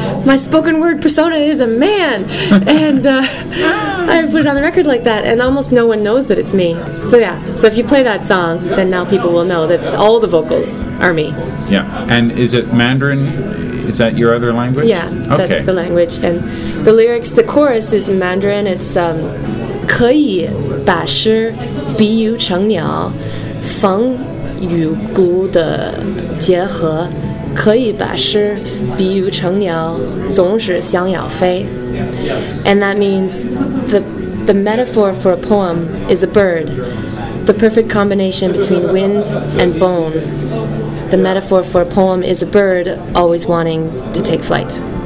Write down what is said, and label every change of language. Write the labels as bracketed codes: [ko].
[en] My spoken word persona is a man, and I put it on the record like that, and almost no one knows that it's me. So yeah, so if you play that song, then now people will know that all the vocals are me. Yeah, and is it Mandarin? Is that your other language? Yeah, okay. That's the language, and the lyrics, the chorus is Mandarin. It's [zh] 可以把诗比喻成鸟，凤与孤的结合，可以把诗比喻成鸟，总是想要飞。 [en] And that means the metaphor for a poem is a bird, the perfect combination between wind and bone. The metaphor for a poem is a bird always wanting to take flight.